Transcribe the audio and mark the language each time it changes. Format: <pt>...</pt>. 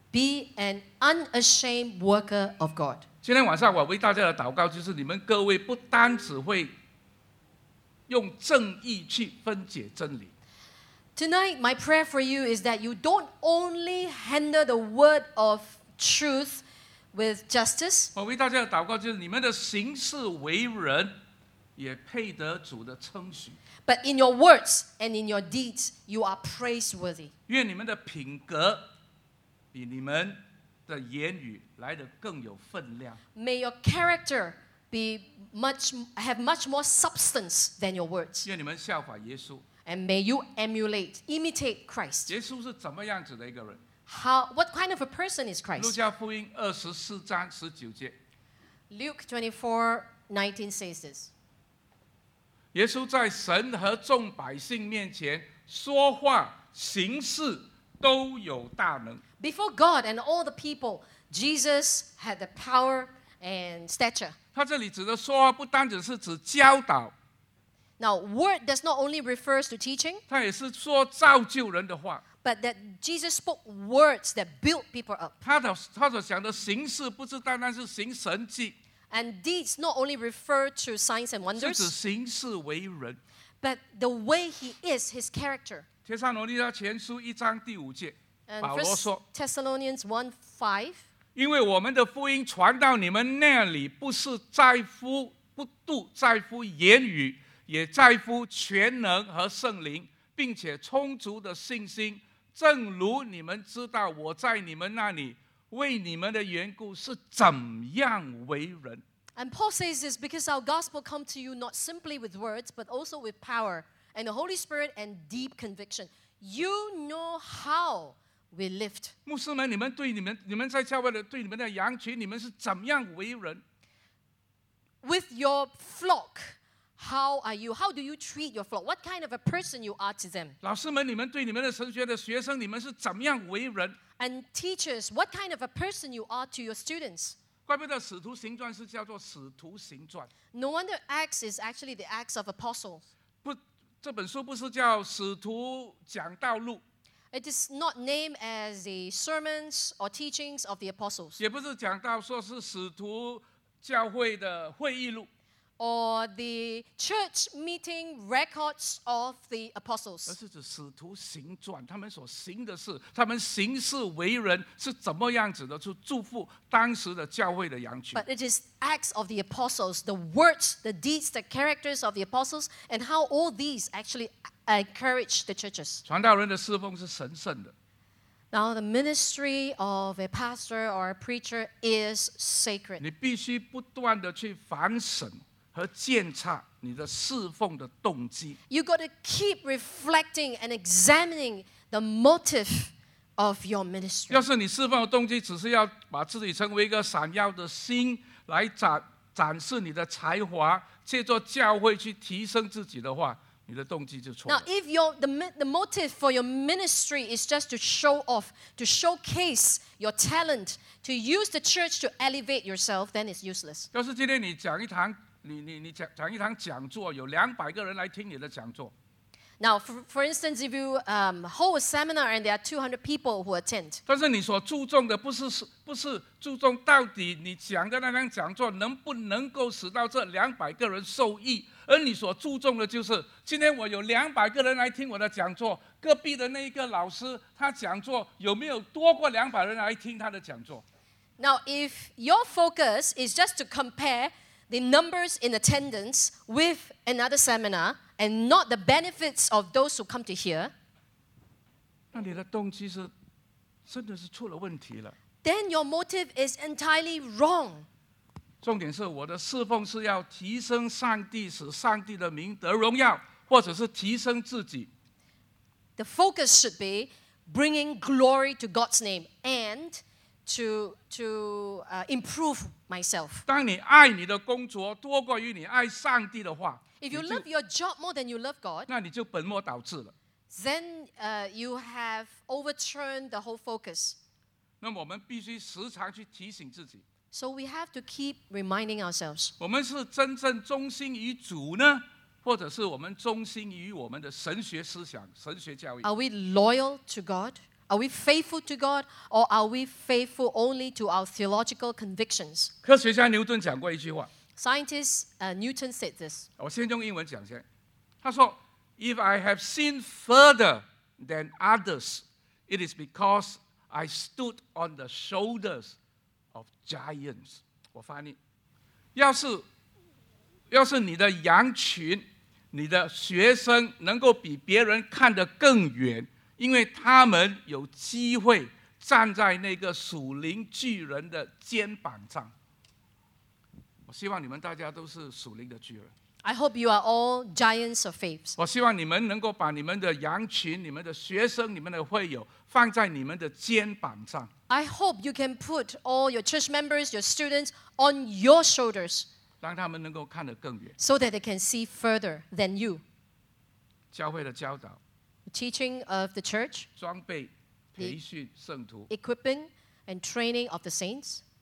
<en>Be an unashamed worker of God.</en> <zh>今天晚上我为大家的祷告就是，你们各位不单只会用正义去分解真理。</zh> <en>Tonight, my prayer for you is that you don't only handle the word of truth with justice.</en> <zh>我为大家的祷告就是，你们的行事为人也配得主的称许。</zh> <en>But in your words and in your deeds, you are praiseworthy.</en> <zh>愿你们的品格比你们的言语来得更有分量。</zh> <en>May your character have much more substance than your words.</en> <zh>愿你们效法耶稣。</zh> <en>And may you imitate Christ.</en> <zh>耶稣是怎么样子的一个人？</zh> <en>What kind of a person is Christ?</en> <zh>路加福音24:19。</zh> <en>Luke 24:19 says this.</en> <zh>耶稣在神和众百姓面前说话行事都有大能。</zh> <en>Before God and all the people, Jesus had the power and stature.</en> <zh>他这里指的说话不单只是指教导，</zh> <en>Now, word does not only refer to teaching,</en> <zh>他也是说造就人的话。</zh> <en>But that Jesus spoke words that built people up.</en> <zh>他所讲的行事不是单单是行神迹。</zh> <en>And deeds not only refer to signs and wonders,</en> <zh>是指行事为人。</zh> <en>But the way he is, his character.</en> <zh>帖撒罗尼迦前书一章第五节，保罗说</zh> <en>，Thessalonians 1:5,</en> <zh>因为我们的福音传到你们那里，不是在乎不度，在乎言语，也在乎全能和圣灵，并且充足的信心。正如你们知道，我在你们那里为你们的缘故是怎样为人。</zh> <en>And Paul says this because our gospel come to you not simply with words, but also with power and the Holy Spirit and deep conviction. You know how we lived.</en> <zh>牧师们，你们在教会的对你们的羊群，你们是怎样为人</zh> <en>？With your flock, how are you? How do you treat your flock? What kind of a person you are to them?</en> <zh>老师们，你们对你们的神学的学生，你们是怎样为人</zh> <en>？And teachers, what kind of a person you are to your students?</en> <zh>怪不得使徒行传是叫做使徒行传。</zh> <en>No wonder Acts is actually the Acts of Apostles.</en> <zh>不，这本书不是叫使徒讲道录。</zh> <en>It is not named as the sermons or teachings of the apostles.</en> <zh>也不是讲到说是使徒教会的会议录。</zh> <en>Or the church meeting records of the apostles.</en> <zh>而是指使徒行传，他们所行的事，他们行事为人是怎么样子的，去祝福当时的教会的羊群。</zh> <en>But it is acts of the apostles, the words, the deeds, the characters of the apostles, and how all these actually encourage the churches.</en> <zh>传道人的侍奉是神圣的。</zh> <en>Now the ministry of a pastor or a preacher is sacred.</en> <zh>你必须不断的去反省。和鉴察你的侍奉的动机。</zh> <en>You got to keep reflecting and examining the motive of your ministry.</en> <zh>要是你侍奉的动机只是要把自己成为一个闪耀的星，来展示你的才华，借助教会去提升自己的话，你的动机就错了。</zh> <en>Now, if the motive for your ministry is just to show off, to showcase your talent, to use the church to elevate yourself, then it's useless.</en> <zh>要是今天你讲一堂。你讲一堂讲座，有200个人来听你的讲座。</zh> <en>Now, for instance, if you hold a seminar and there are 200 people who attend.</en> <zh>但是你所注重的不是注重到底你讲的那堂讲座能不能够使到这200个人受益，而你所注重的就是今天我有200个人来听我的讲座，隔壁的那一个老师他讲座有没有多过200人来听他的讲座</zh> <en>？Now, if your focus is just to compare. The numbers in attendance with another seminar and not the benefits of those who come to hear,</en> <zh>那你的动机是真的是出了问题了。</zh> <en>Then your motive is entirely wrong.</en> <zh>重点是我的侍奉是要提升上帝，使上帝的名得荣耀，或者是提升自己。</zh> <en>The focus should be bringing glory to God's name and. To improve myself.</en> <zh>当你爱你的工作多过于你爱上帝的话</zh> <en>，If you love your job more than you love God,</en> <zh>那你就本末倒置了。</zh> <en>Then you have overturned the whole focus.</en> <zh>那我们必须时常去提醒自己。</zh> <en>So we have to keep reminding ourselves.</en> <zh>我们是真正忠心于主呢，或者是我们忠心于我们的神学思想、神学教育</zh> <en>？Are we loyal to God? Are we faithful to God, or are we faithful only to our theological convictions?</en> <zh>科学家牛顿讲过一句话。</zh> <en>Scientist Newton said this.</en> <zh>我先用英文讲先。他说</zh> <en>，If I have seen further than others, it is because I stood on the shoulders of giants.</en> <zh>我翻译，要是你的羊群、你的学生能够比别人看得更远。因为他们有机会站在那个属灵巨人的肩膀上。我希望你们大家都是属灵的巨人。</zh> <en>I hope you are all giants of faith.</en> <zh>我希望你们能够把你们的羊群、你们的学生、你们的会友放在你们的肩膀上。</zh> <en>I hope you can put all your church members, your students on your shoulders.</en> <zh>让他们能够看得更远。</zh> <en>So that they can see further than you.</en> <zh>教会的教导。</zh> <en>Teaching of the church,</en> <zh>装备培训圣徒</zh> <en>equipping and training of the saints,</en>